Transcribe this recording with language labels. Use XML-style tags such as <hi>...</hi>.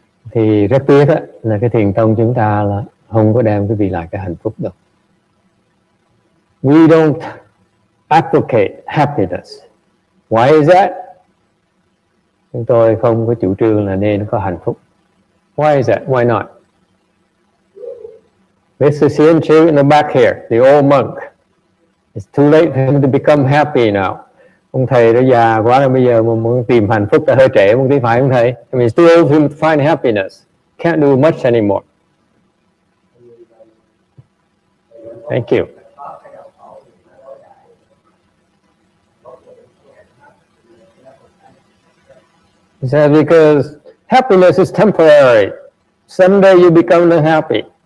<vi>Thì rất tiếc đó, là cái thiền tông chúng ta là không có đem quý vị lại cái hạnh phúc đâu.</vi> <en>We don't advocate happiness. Why is that?</en> <vi>Chúng tôi không có chủ trương là nên có hạnh phúc.</vi> <en>Why is that? Why not? This is Xian Chu in the back here, the old monk. It's too late for him to become happy now.</en> <vi>Ông thầy đã già quá rồi, bây giờ mà muốn tìm hạnh phúc đã hơi trễ, một tí phải không thầy?</vi> <en>I mean, it's too old for him to find happiness. Can't do much anymore. Thank you. He said, because happiness is temporary. Someday you become unhappy.</en>